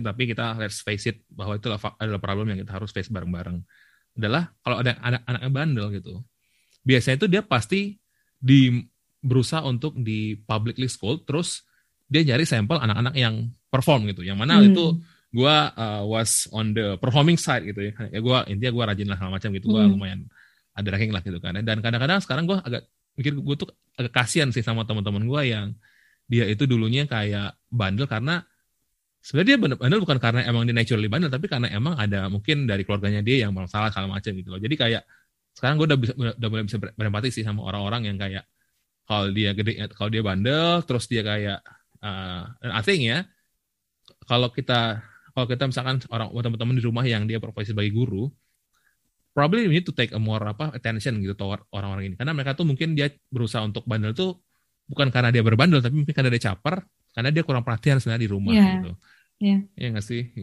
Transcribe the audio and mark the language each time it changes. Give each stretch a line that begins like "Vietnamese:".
Indonesian: Tapi kita
English: let's face it
Indonesian: bahwa itu adalah problem yang kita harus face bareng-bareng. Adalah kalau ada anak-anak yang bandel gitu, biasanya itu dia pasti di berusaha untuk di
English: publicly school,
Indonesian: terus dia nyari sampel anak-anak yang perform gitu, yang mana itu
English: gue was on the performing side
Indonesian: gitu ya. Ya gue intinya gue rajin lah macam gitu, gue lumayan ada ranking lah gitu kan. Dan kadang-kadang sekarang gue agak mikir, gue tuh agak kasihan sih sama teman-teman gue yang dia itu dulunya kayak bandel, karena sebenarnya dia bandel bukan karena emang dia naturally bandel, tapi karena emang ada mungkin dari keluarganya dia yang bermasalah segala macam gitu loh. Jadi kayak sekarang gue udah mulai bisa berempati sih sama orang-orang yang kayak kalau dia gede, kalau dia bandel, terus dia kayak
English: and I think
Indonesian: ya, kalau kita misalkan orang teman-teman di rumah yang dia profesi sebagai guru,
English: probably we need to take a more
Indonesian: apa attention gitu toward orang-orang ini, karena mereka tuh mungkin dia berusaha untuk bandel tuh bukan karena dia berbandel, tapi mungkin karena dia caper, karena dia kurang perhatian sebenarnya di rumah gitu. Iya nggak sih?